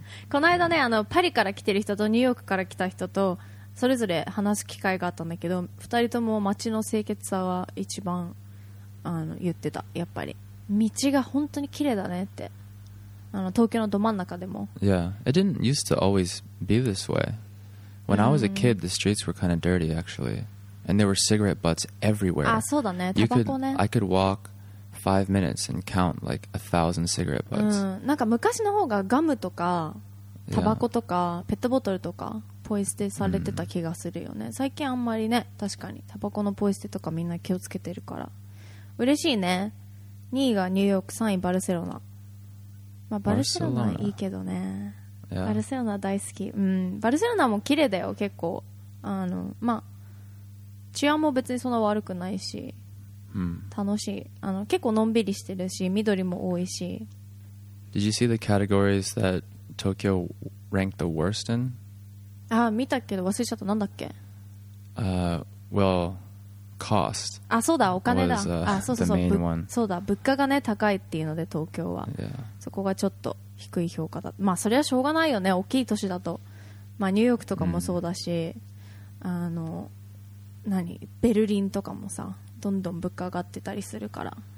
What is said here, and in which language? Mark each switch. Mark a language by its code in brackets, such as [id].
[ja] この間ね、あのパリから来てる人とニューヨークから来た人とそれぞれ話す機会があったんだけど、2人とも街の清潔さは一番あの言ってた。やっぱり道が本当に綺麗だねって、あの東京のど真ん中でも。 [en] Yeah, it didn't used to always be this way. When I was a kid, the streets were kind of dirty actually, and there were cigarette butts everywhere. [ja] あ、そうだね、タバコね。 [en] I could walk5 minutes and count like 1,000 cigarette butts. [ja] なんか昔の方がガムとかタバコとかペットボトルとかポイ捨てされてた気がするよね。最近あんまりね、確かにタバコのポイ捨てとかみんな気をつけてるから。嬉しいね。 2位がニューヨーク、3位バルセロナ。まあバルセロナいいけどね。バルセロナ大好き。うん、バルセロナも綺麗だよ結構。あのまあ治安も別にそんな悪くないし、楽しい。あの結構のんびりしてるし、緑も多いし。 [en] Did you see the categories that Tokyo ranked the worst in? [ja] あ、見たけど忘れちゃった。なんだっけ。 [en] Well, cost. [ja] あ、そうだ、お金だ。 [en] Was, [ja] そうそうそう、 [en] the main one. [ja] そうだ、物価がね高いっていうので東京は、 [en] yeah. [ja] そこがちょっと低い評価だ。まあそれはしょうがないよね、大きい都市だと。まあニューヨークとかもそうだし、mm. あの何、ベルリンとかもさ、どんどん物価上がってたりするから。